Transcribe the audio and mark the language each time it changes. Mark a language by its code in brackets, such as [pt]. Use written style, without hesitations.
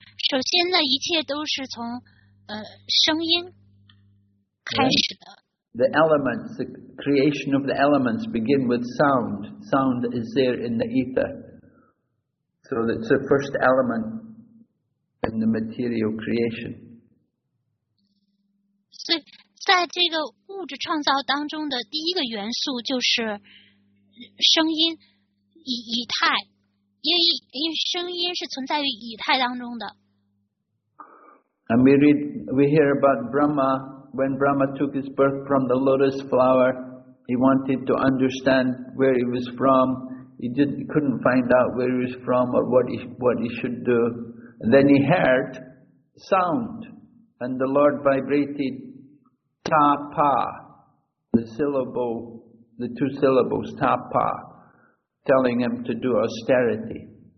[zh] 首先呢，一切都是从声音开始的。 [en] The elements, the creation of the elements begin with sound. Sound is there in the ether. So that's the first element. In the material creation. [zh] 所以在这个物质创造当中的第一个元素就是声音，以太，因为声音是存在于以太当中的。 [en] And we hear about Brahma, when Brahma took his birth from the lotus flower, he wanted to understand where he was from. He couldn't find out where he was from or what he should do. Then he heard sound, and the Lord vibrated ta pa, the two syllables ta pa, telling him to do austerity.